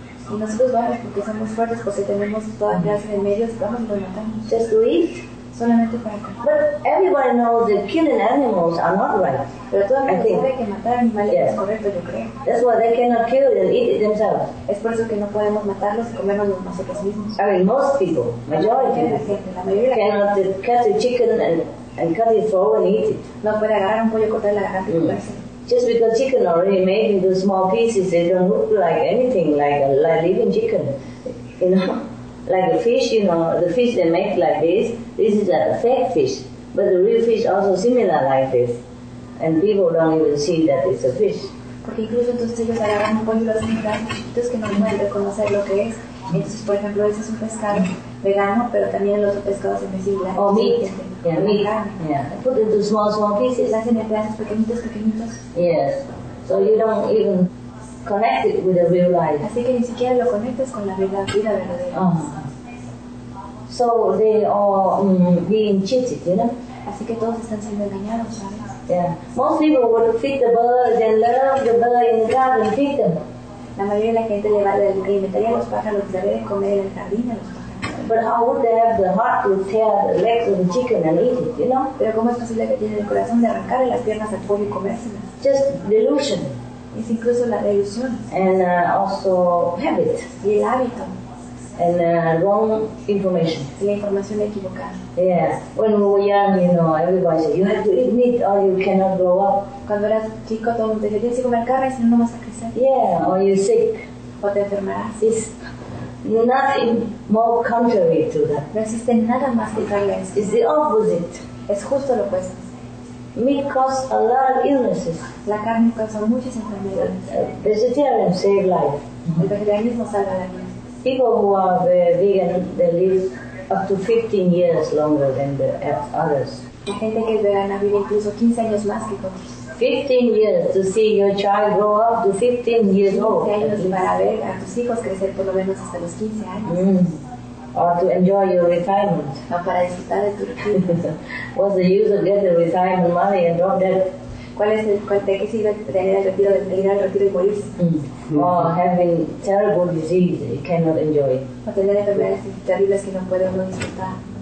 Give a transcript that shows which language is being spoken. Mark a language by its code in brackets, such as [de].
[es] Y nosotros vamos porque somos fuertes, porque tenemos toda clase de medios, vamos y lo matamos. [en] Just to eat? [es] Solamente para comer. [en] But everybody knows that killing animals are not right. [es] Pero todo el mundo sabe que matar animales es correcto, yo creo. [en] That's why they cannot kill it and eat it themselves. [es] Es por eso que no podemos matarlos y comernos nosotros mismos. [en] I mean, most people, majority, cannot cut a chicken and cut it whole and eat it. [es] No puede agarrar un pollo, cortar la garganta y comerse. [en] Just because chicken already made into small pieces, they don't look like anything, like a living chicken, you know? Like a fish, you know, the fish they make like this, this is a fake fish. But the real fish also similar like this. And people don't even see that it's a fish. [es] Porque incluso entonces ellos agarran un pollo y lo hacen tan chiquitos que no pueden reconocer lo que es. Entonces, por ejemplo, ese es un pescado vegano, pero también el otro pescado se me sigue. [en] O meat. Yeah, meat. Yeah. Put into small pieces. [es] Las hacen en pedazos pequeñitos, pequeñitos. [en] Yes. So you don't even connect it with the real life. [es] Así que ni siquiera lo conectas con la vida, vida verdadera. [en] So they are being cheated, you know? [es] Así que todos están siendo engañados, ¿sabes? [en] Yeah. Most people would feed the birds and love the birds in the garden, feed them. [es] La mayoría de la gente le va a alimentar a los pájaros, que deben comer en el jardín a los pájaros. [en] But how would they have the heart to tear the legs of the chicken and eat it, you know? [es] Pero cómo es posible que tienen el corazón de arrancarle las piernas al pollo y comérselas? [en] Just delusion. [es] Es incluso la delusión. [en] And also habit. [es] Y el hábito. [en] And wrong information. [es] Y la información equivocada. [en] Yeah. When we were young, you know, everybody said, you have to eat meat or you cannot grow up. [es] Cuando eras chico, todo el mundo decía, tienes que comer carne, si no, no vas a crecer. [en] Yeah, or you're sick. [es] O te enfermarás. [en] Yes. Nothing more contrary to that. [es] No existe nada más que contrario a eso. [en] It's the opposite. [es] Es justo lo opuesto. [en] Meat causes a lot of illnesses. [es] La carne causa muchas enfermedades. [en] Vegetarian save life. [es] El vegetarianismo salva la vida. [en] People who are vegan, they live up to 15 years longer than the others. [es] La gente que es vegana vive incluso 15 años más que otros. [en] 15 years to see your child grow up to 15 years old. [es] 15 años para ver a tus hijos crecer por lo menos hasta los 15 años. [en] Mm. Or to enjoy your retirement. [es] O para disfrutar de tu retiro. [en] What's the use of getting retirement money and drop dead? [es] ¿Cuál es el de qué sirve tener el retiro, de ir al retiro y morirse? Mm. [en] Or having terrible disease that you cannot enjoy. [es] O tener enfermedades terribles que no puede uno disfrutar.